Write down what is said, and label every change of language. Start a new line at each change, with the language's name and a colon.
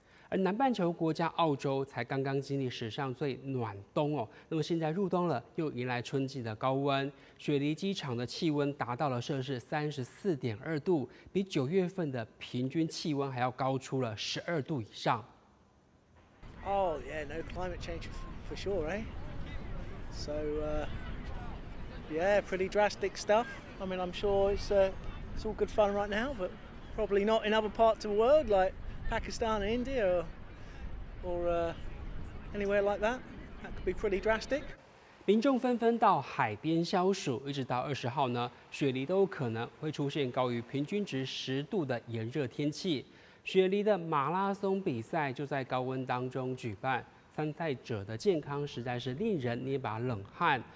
Chinese: 而南半球国家澳洲才刚刚经历史上最暖冬哦，那么现在入冬了，又迎来春季的高温。雪梨机场的气温达到了摄氏34.2度，比9月份的平均气温还要高出了12度以上。
English: Oh yeah, no climate change for sure, right? So, yeah, pretty drastic stuff. I mean, I'm sure it's all good fun right now, but probably not in other parts of the world, like. Pakistan and India, or anywhere like that, that could be pretty drastic.
Chinese: 民众纷纷到海边消暑，一直到20号呢，雪梨都可能会出现高于平均值10度的炎热天气。雪梨的马拉松比赛就在高温当中举办，参赛者的健康实在是令人捏把冷汗。